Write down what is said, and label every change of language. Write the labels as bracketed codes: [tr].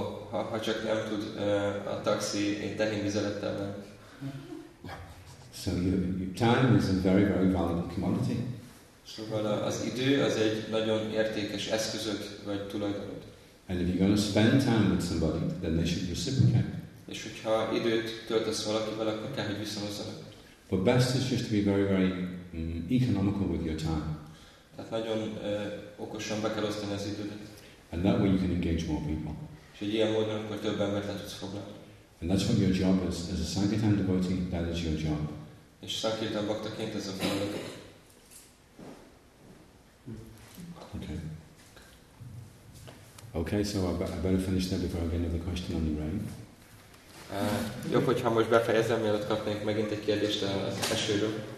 [hu] Ha csak nem tud a taxi, én tehén vizelettel nem. [en] So your time is a very, very valuable commodity. [hu] Szóval az idő az egy nagyon értékes eszközöd vagy tulajdonod. [en] And if you're going to spend time with somebody, then they should reciprocate. [hu] És hogyha időt töltesz valakivel, akkor kell, hogy visszahozzanak. [en] But best is just to be very, very economical with your time. [hu] Tehát nagyon okosan be kell osztani az idődet. [en] And that way you can engage more people. [hu] És egy ilyen módon, akkor több embert le tudsz foglalni. [en] And that's what your job is. As a Sankirtan devotee, that is your job. [hu] És Sankirtan baktaként ez a feladat. [en] Okay, so I better finish that before I get another question on the rain. [hu] Jobb, hogyha most befejezem, mielőtt kapnék megint egy kérdést az esőről.